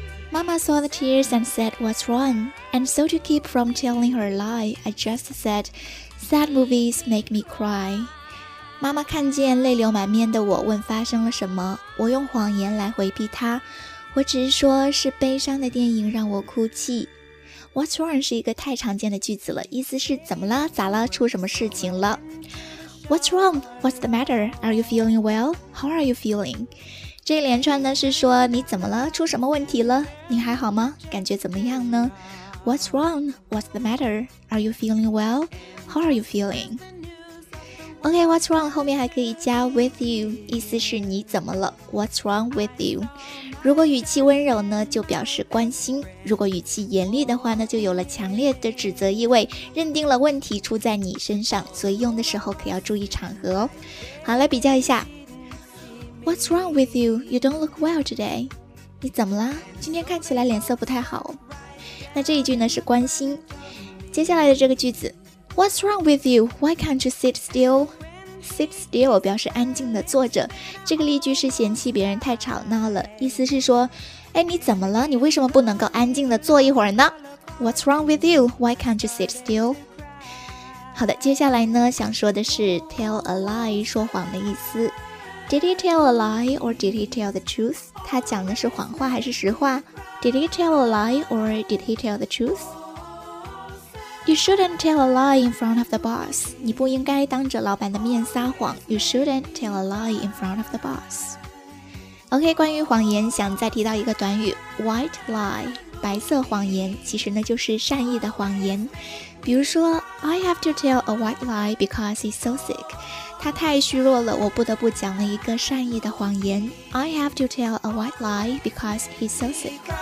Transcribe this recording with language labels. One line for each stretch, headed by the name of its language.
English: Mama saw the tears and said, "What's wrong?" And so to keep from telling her lie, I just said, "Sad movies make me cry."
Chinese: 妈妈看见泪流满面的我，问发生了什么。我用谎言来回避她，我只是说是悲伤的电影让我哭泣。
English: What's wrong
Chinese: 是一个太常见的句子了，意思是怎么了？咋了？出什么事情了 ？
English: What's wrong? What's the matter? Are you feeling well? How are you feeling?
Chinese: 这一连串呢是说你怎么了，出什么问题了，你还好吗，感觉怎么样呢。
English: What's wrong? What's the matter? Are you feeling well? How are you feeling?
Chinese: OK,
English: what's wrong
Chinese: 后面还可以加
English: with you，
Chinese: 意思是你怎么了。
English: What's wrong with you?
Chinese: 如果语气温柔呢，就表示关心，如果语气严厉的话呢，就有了强烈的指责意味，认定了问题出在你身上，所以用的时候可要注意场合哦。好，来比较一下，
English: What's wrong with you? You don't look well today.
Chinese: 你怎么了？今天看起来脸色不太好。那这一句呢是关心。接下来的这个句子，
English: What's wrong with you? Why can't you sit still? Sit still
Chinese: 表示安静的坐着。这个例句是嫌弃别人太吵闹了，意思是说，哎，你怎么了？你为什么不能够安静的坐一会儿呢？
English: What's wrong with you? Why can't you sit still?
Chinese: 好的，接下来呢想说的是
English: tell a lie，
Chinese: 说谎的意思。
English: Did he tell a lie or did he tell the truth?
Chinese: 他讲的是谎话还是实话？
English: Did he tell a lie or did he tell the truth? You shouldn't tell a lie in front of the boss.
Chinese: 你不应该当着老板的面撒谎。
English: You shouldn't tell a lie in front of the boss.
Chinese: OK, 关于谎言想再提到一个短语，
English: White lie,
Chinese: 白色谎言，其实呢就是善意的谎言。比如说
English: I have to tell a white lie because he's so sick.
Chinese: 他太虚弱了，我不得不讲了一个善意的谎言。
English: I have to tell a white lie because he's so sick.